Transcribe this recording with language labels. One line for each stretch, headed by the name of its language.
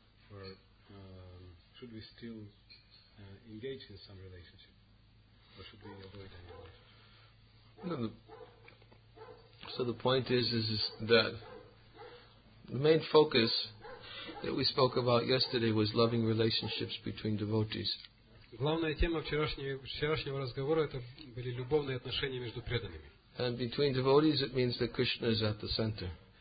English: Or should we still engage in some relationship? Or should we avoid any relationship? No, so the point is that the main focus that we spoke about yesterday was loving relationships between devotees.
Russian: Главная тема вчерашнего разговора это были любовные отношения между преданными.
English: And between devotees it means that Krishna is at the center.